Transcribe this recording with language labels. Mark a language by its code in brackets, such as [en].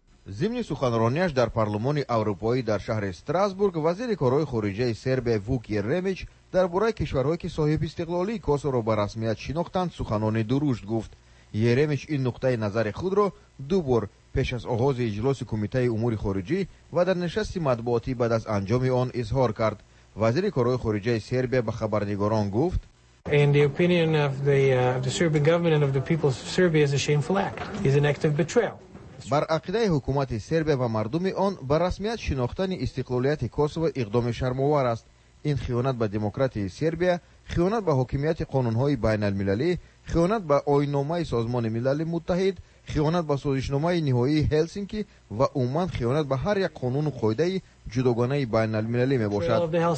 [fa] ضمن سخنرانیش در پارلمان اروپایی در شهر استراسبورگ، وزیر کارهای خارجه سربی ووک یرمیچ درباره کشورهایی که صاحب استقلالی کوسوو را به رسمیت شناختند سخنان درشت گفت. یرمیچ این نقطه نظر خود را دو بار پیش از آغاز اجلاس کمیته امور خارجی و در نشست مطبوعاتی بعد از انجام آن اظهار کرد. وزیر کارهای خارجه سربیا به خبرنگاران گفت: [en] In the opinion of the Serbian government and of the people of Serbia is a shameful act. It's an act of betrayal. [fa] بر عقیده حکومت سربیا و مردم آن به رسمیت شناختن استقلالیت کوسوو اقدام شرم‌آور است. این خیانت به دموکراسی سربیا، خیانت به حاکمیت قانون‌های بین‌المللی، خیانت به آیین‌نامه سازمان ملل متحد، خیانت به سازشنامه نهایی هلسینکی و عموماً خیانت به هر یک قانون و قاعده جداگانه بین‌المللی میباشد.